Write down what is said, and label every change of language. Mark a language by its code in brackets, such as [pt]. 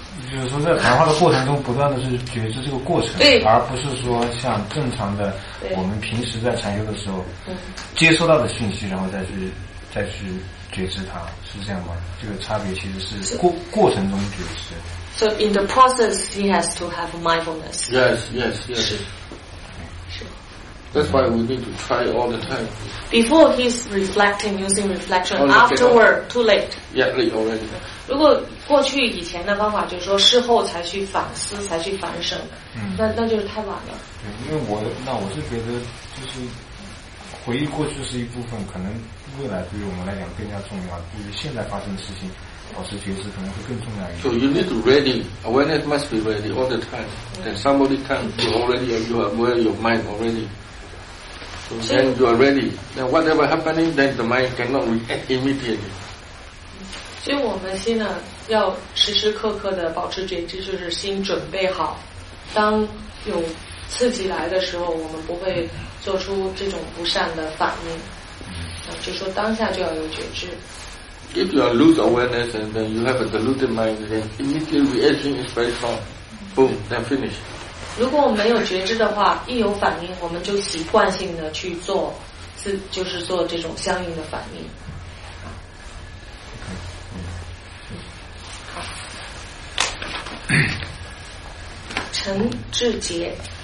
[zh] 就是说在谈话的过程中不断的是觉知这个过程，对，而不是说像正常的我们平时在禅修的时候接收到的讯息，然后再去觉知它，是这样吗？这个差别其实是过程中觉知。 [en] So in the process, he has to have mindfulness. Yes, yes, yes. [zh] 是 [en] That's why we need to try all the time. Before he's reflecting, using reflection, afterward, too late. Yeah, late already. [zh] 如果过去以前的方法就是说事后才去反思，才去反省，那就是太晚了。对，因为我是觉得就是回忆过去是一部分，可能未来对于我们来讲更加重要，对于现在发生的事情。保持觉知可能会更重要一点。 [en] So you need to ready, awareness must be ready all the time. Then somebody comes, you already you are aware of your mind already. So then you are ready. Then whatever happening, then the mind cannot react immediately. [zh] 所以我们现在要时时刻刻的保持觉知，就是心准备好。当有刺激来的时候，我们不会做出这种不善的反应。就说当下就要有觉知。 [en] If you are lose awareness and then you have a deluded mind, then immediately reaction is very strong. Boom, then finish. [zh] 如果我们没有觉知的话，一有反应，我们就习惯性的去做，就是做这种相应的反应。好，陈志杰。